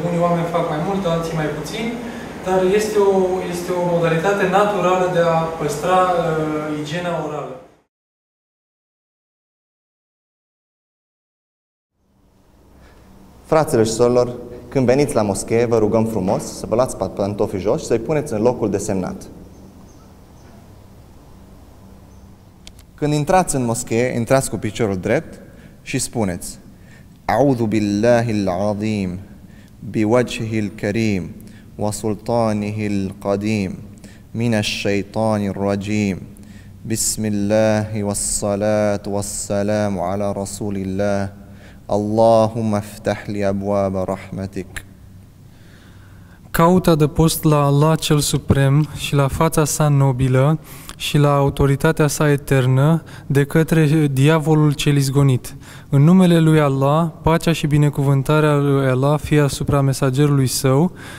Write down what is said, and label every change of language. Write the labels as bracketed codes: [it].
[ro] Unii oameni fac mai mult, alții mai puțin. Dar este o modalitate naturală de a păstra igiena orală. Fraților și surorilor, când veniți la moschee, vă rugăm frumos să vă luați pantofii jos și să-i puneți în locul desemnat. Când intrați în moschee, intrați cu piciorul drept și spuneți [ar] A'udhu billahi al-azim bi wajhihi al-karim وسلطانه القديم من الشيطان الرجيم بسم الله والصلاة والسلام على رسول الله اللهم افتح لي أبواب رحمتك. [ro] Caut adăpost la Allah cel suprem și la fața sa nobilă și la autoritatea sa eternă de către diavolul cel izgonit. În numele lui Allah, pacea și binecuvântarea lui Allah fie asupra mesagerului său.